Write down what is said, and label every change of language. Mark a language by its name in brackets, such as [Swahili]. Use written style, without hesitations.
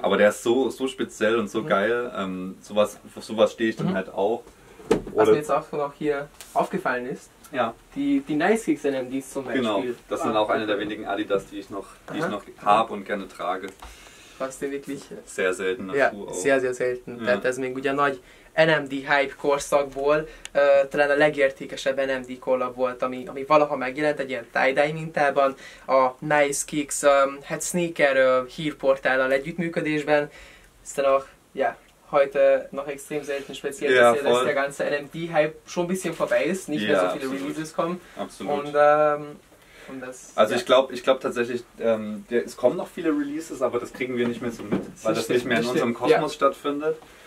[German] Aber der ist so speziell und so geil, sowas stehe ich dann halt auch. Oder was mir jetzt auch noch hier aufgefallen ist, die Nice Kicks NMDs zum Beispiel. Genau, das sind auch eine der wenigen Adidas, die ich noch habe und gerne trage. Was denn wirklich? Sehr selten. Ja, sehr, sehr selten. Ja. Das ist mir ein guter Nagy. [Hungarian] NMD-Hype-korszakból talán a legértékesebb NMD-kollab volt, ami valaha megjelent egy ilyen tie-dye mintában, a Nice Kicks Head Sneaker hírportállal együttműködésben. Aztán [German] heute noch extrem selten, speziell, dass der ganze NMD-Hype schon ein bisschen vorbei ist, nicht mehr so viele Releases kommen. Absolut. Und ich glaube tatsächlich, es kommen noch viele Releases, aber das kriegen wir nicht mehr so mit, weil das nicht mehr in unserem Kosmos stattfindet.